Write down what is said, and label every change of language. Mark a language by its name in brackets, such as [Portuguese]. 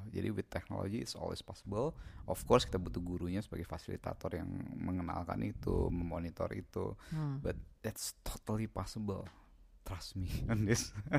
[English] Jadi with technology it's always possible. Of course [Indonesian] kita butuh gurunya sebagai fasilitator yang mengenalkan itu, memonitor itu. [English] But that's totally possible, trust me on this.